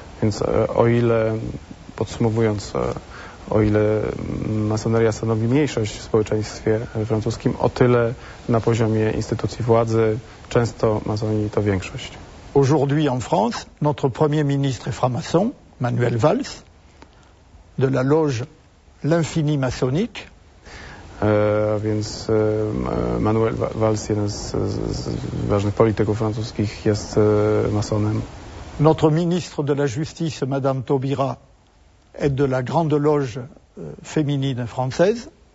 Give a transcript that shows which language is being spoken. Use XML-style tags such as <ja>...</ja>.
<pl>Więc o ile, podsumowując, o ile masoneria stanowi mniejszość w społeczeństwie francuskim, o tyle na poziomie instytucji władzy często masoni to większość.</pl> <fr>Aujourd'hui en France, notre premier ministre est franc-maçon, Manuel Valls, de la loge L'Infini Maçonnique.</fr> <pl>Więc Manuel Valls, jeden z ważnych polityków francuskich, jest masonem.</pl> <fr>Notre ministre de la Justice, Madame Taubira, est de la grande loge féminine française.</fr>